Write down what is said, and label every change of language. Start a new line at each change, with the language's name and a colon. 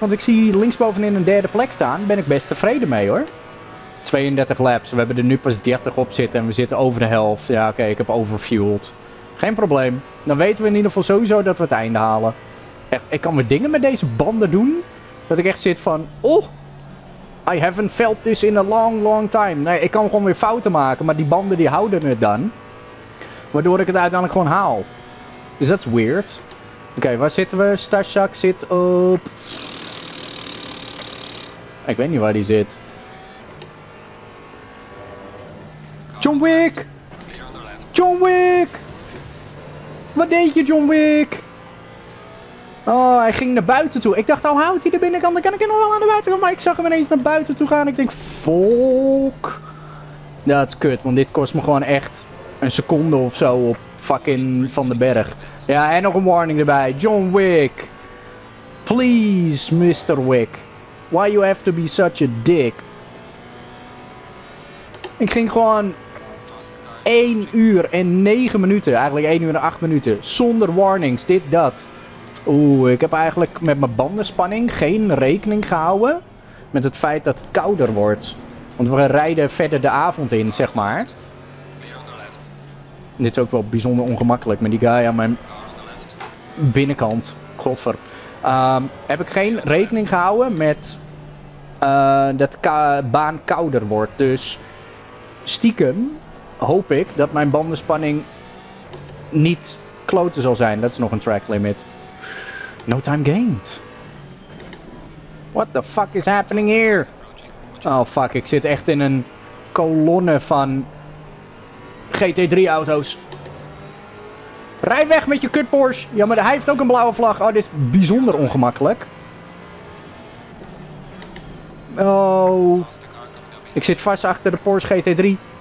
Dutch: Want ik zie linksbovenin een derde plek staan. Ben ik best tevreden mee, hoor. 32 laps. We hebben er nu pas 30 op zitten. En we zitten over de helft. Ja, oké. Ik heb overfueled. Geen probleem. Dan weten we in ieder geval sowieso dat we het einde halen. Echt, ik kan weer dingen met deze banden doen. Dat ik echt zit van...
English: Oh, I haven't felt this in a long, long time.
Dutch: Nee, ik kan gewoon weer fouten maken. Maar die banden die houden het dan. Waardoor ik het uiteindelijk gewoon haal. Dus dat is weird. Oké, waar zitten we? Stasjak zit op... Ik weet niet waar die zit. John Wick! John Wick! Wat deed je, John Wick? Oh, hij ging naar buiten toe. Ik dacht, al houdt hij de binnenkant, dan kan ik hem nog wel aan de buitenkant. Maar ik zag hem ineens naar buiten toe gaan. Ik denk, fuck. Dat is kut, want dit kost me gewoon echt een seconde of zo op fucking Van den Berg. Ja, en nog een warning erbij.
English: John Wick. Please, Mr. Wick. Why you have to be such a dick?
Dutch: Ik ging gewoon... 1 uur en 9 minuten. Eigenlijk 1 uur en 8 minuten. Zonder warnings. Dit, dat. Oeh, ik heb eigenlijk met mijn bandenspanning geen rekening gehouden. Met het feit dat het kouder wordt. Want we rijden verder de avond in, zeg maar. Dit is ook wel bijzonder ongemakkelijk met die guy aan mijn binnenkant. Godver. Heb ik geen rekening gehouden met dat baan kouder wordt. Dus stiekem... Hoop ik dat mijn bandenspanning niet kloten zal zijn. Dat is nog een track limit.
English: No time gained. What the fuck is happening here?
Dutch: Oh fuck, ik zit echt in een kolonne van GT3 auto's. Rij weg met je kut Porsche. Ja, maar hij heeft ook een blauwe vlag. Oh, dit is bijzonder ongemakkelijk. Oh. Ik zit vast achter de Porsche GT3.